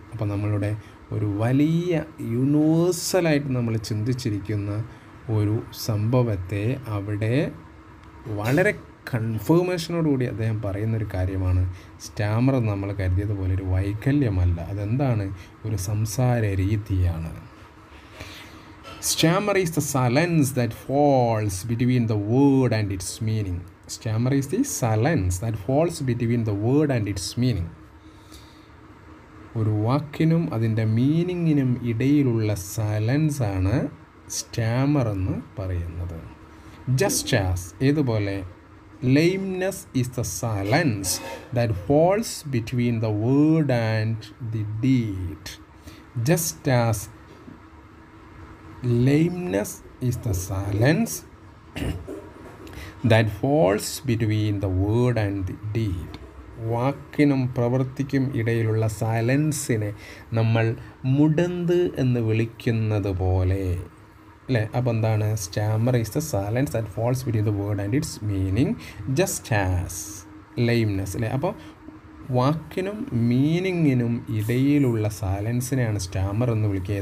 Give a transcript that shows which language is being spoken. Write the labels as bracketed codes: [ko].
[ml] അപ്പോൾ നമ്മളുടെ ഒരു വലിയ യൂണിവേഴ്സലായിട്ട് നമ്മൾ ചിന്തിച്ചിരിക്കുന്ന ഒരു സംഭവത്തെ അവിടെ വളരെ കൺഫേമേഷനോടുകൂടി അദ്ദേഹം പറയുന്നൊരു കാര്യമാണ് സ്റ്റാമർ എന്ന് നമ്മൾ കരുതിയതുപോലെ ഒരു വൈകല്യമല്ല, അതെന്താണ്? ഒരു സംസാര രീതിയാണ്. [en] Stammer is the silence that falls between the word and its meaning. Stammer is the silence that falls between the word and its meaning. [ml] ഒരു വാക്കിനും അതിൻ്റെ മീനിങ്ങിനും ഇടയിലുള്ള സൈലൻസ് ആണ് സ്റ്റാമർ എന്ന് പറയുന്നത്. [en] just as [ml] ഇതുപോലെ [en] lameness is the silence that falls between the word and the deed. Just as lameness is the silence that falls between the word and the deed. [ml] വാക്കിനും പ്രവൃത്തിക്കും ഇടയിലുള്ള സൈലൻസിനെ നമ്മൾ മുടന്ത് എന്ന് വിളിക്കുന്നത് പോലെ അല്ലേ. അപ്പോൾ എന്താണ്? [en] Stammer is the silence and falls between the word and it's meaning just as lameness അല്ലേ. [ml] അപ്പോൾ വാക്കിനും മീനിങ്ങിനും ഇടയിലുള്ള സൈലൻസിനെയാണ് സ്റ്റാമർ എന്ന് വിളിക്കുക.